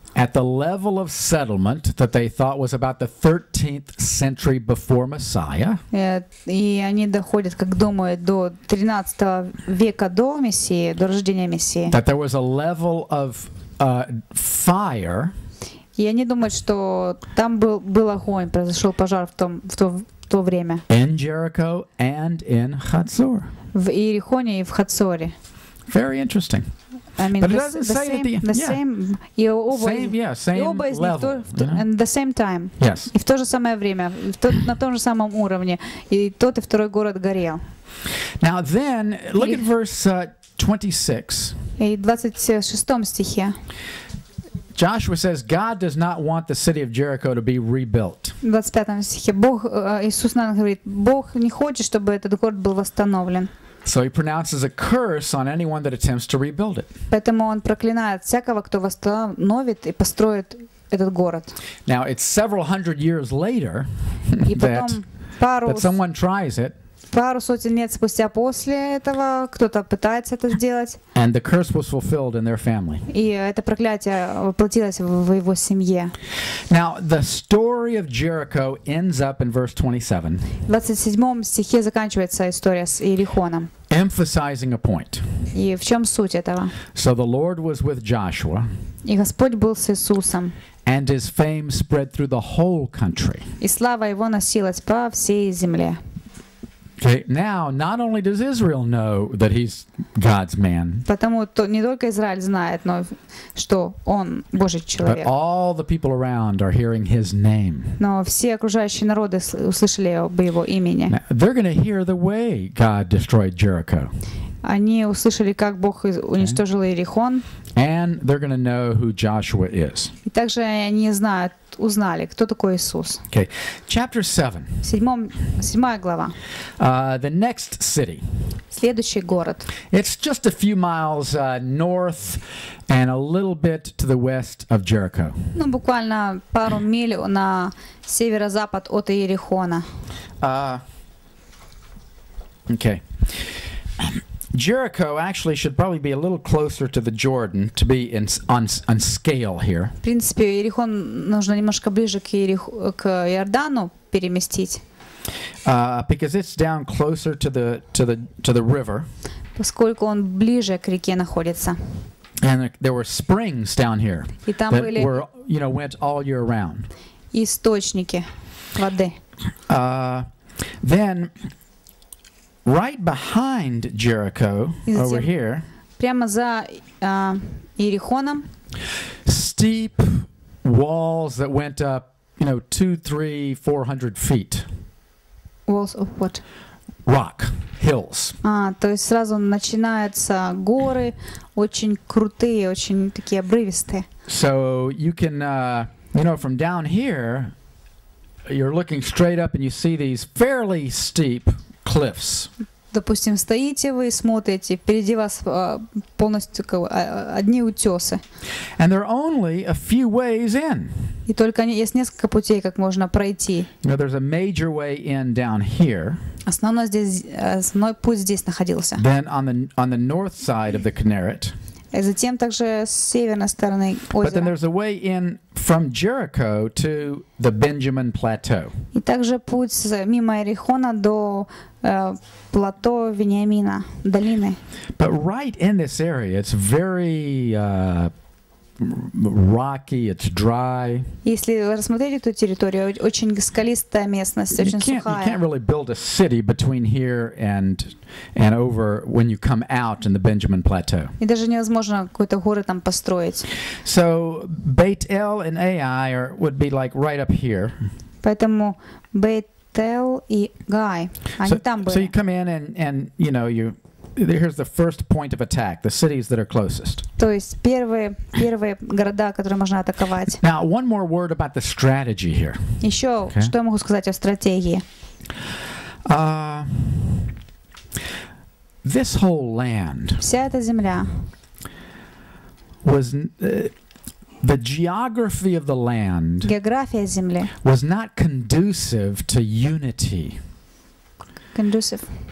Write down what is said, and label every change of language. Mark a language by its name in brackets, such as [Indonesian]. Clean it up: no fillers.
[English] at the level of settlement that they thought was about the 13th century before Messiah, [Russian] и они доходят, как думают, до 13 века до Мессии, до рождения Мессии, [English] that there was a level of fire. [Russian] И они думают, что там был огонь, произошел пожар в то время. [English] In Jericho and in Hazor. [Russian] В Иерихоне и в Хацоре. [English] Very interesting. I mean, the same level, and the same time. Yes. [Russian] И в то же самое время, на том же самом уровне, и тот и второй город горел. [English] Now then, look at verse 26. [Russian] И 26 стихе. [English] Joshua says God does not want the city of Jericho to be rebuilt. [Russian] В 25 стихе Бог, Иисус нам говорит, Бог не хочет, чтобы этот город был восстановлен. [English] So he pronounces a curse on anyone that attempts to rebuild it. [Russian] Поэтому он проклинает всякого, кто восстановит и построит этот город. [English] Now it's several hundred years later that someone tries it. [Russian] Пару сотен лет спустя после этого кто-то пытается это сделать. [English] And the curse was fulfilled in their family. [Russian] И это проклятие воплотилось в его семье. [English] Now the story of Jericho ends up in verse 27. [Russian] В 27 стихе заканчивается история с Иерихоном. [English] Emphasizing a point. [Russian] И в чем суть этого? [English] So the Lord was with Joshua. [Russian] И Господь был с Иисусом. [English] And his fame spread through the whole country. [Russian] И слава его носилась по всей земле. [English] Okay, now not only does Israel know that he's God's man. [Russian] Потому что не только Израиль знает, но что он Божий человек. [English] But all the people around are hearing his name. [Russian] Но все окружающие народы услышали об его имени. [English] Now, they're going to hear the way God destroyed Jericho. [Russian] Они услышали, как Бог уничтожил Иерихон. [English] And they're going to know who Joshua is. [Russian] И также они знают, узнали, кто такой Иисус. [English] Okay. Chapter 7. [Russian] 7 глава. [English] The next city. [Russian] Следующий город. [English] It's just a few miles north and a little bit to the west of Jericho. [Russian] Ну, буквально пару миль на северо-запад от Иерихона. [English] Okay. Jericho actually should probably be a little closer to the Jordan to be on scale here. [Russian] В принципе, Иерихон нужно немножко ближе к Иордану переместить. [English] Because it's down closer to the river. [Russian] Поскольку он ближе к реке находится. [English] And there were springs down here that were, you know, went all year round. [Russian] Источники воды. [English] Then right behind Jericho, over here, [Russian] прямо за Иерихоном, [English] steep walls that went up, you know, 200-400 feet. Walls of what? Rock, hills. [Russian] То есть сразу начинаются горы, очень крутые, очень такие обрывистые. [English] So you can, you know, from down here, you're looking straight up and you see these fairly steep cliffs. [Russian] Допустим, стоите вы и смотрите, впереди вас полностью одни утесы. [English] And there are only a few ways in. [Russian] И только есть несколько путей, как можно пройти. [English] Now, there's a major way in down here. [Russian] Основной путь здесь находился. [English] Then on the north side of the Kinneret. [Russian] И затем также с северной стороны озера. [English] But then there's a way in from Jericho to the Benjamin Plateau. [Russian] И также путь мимо Иерихона до плато Вениамина, долины. [English] But right in this area, it's very rocky, it's dry. [Russian] Если рассмотреть эту территорию, очень скалистая местность, очень сухая. [English] You can't really build a city between here and over when you come out in the Benjamin Plateau. [Russian] И даже невозможно какой-то город там построить. [English] So Beit El and Ai would be like right up here. [Russian] Поэтому Beit El и Ai, они там были. [English] So you come in and you know you. Here's the first point of attack, the cities that are closest. [Russian] То есть первые города, которые можно атаковать. [English] Now, one more word about the strategy here. [Russian] Ещё, okay. Что я могу сказать о стратегии? [English] this whole land was the geography of the land was not conducive to unity. Conducive.